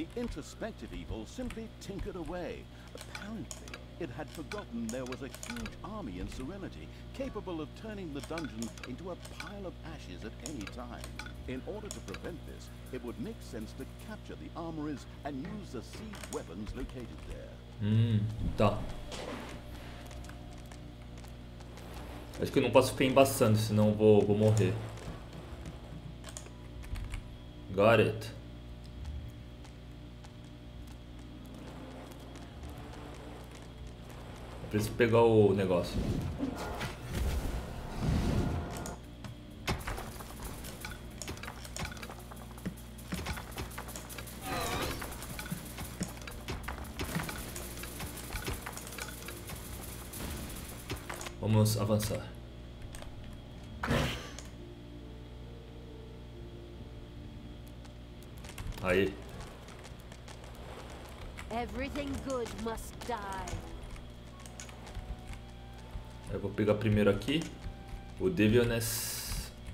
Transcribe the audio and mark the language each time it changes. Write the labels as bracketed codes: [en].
[en] Suspected evil simply tinkered away. Apparently, it had forgotten there was a huge army in Serenity capable of turning the dungeon into a pile of ashes at any time. In order to prevent this, it would make sense to capture the armories and use the siege weapons located there. [pt] Tá. Acho que eu não posso ficar embaçando, senão vou morrer. [en] Got it. [pt] Preciso pegar o negócio. Vamos avançar. Aí. [en] Everything good must die. [pt] Eu vou pegar primeiro aqui o Devilness.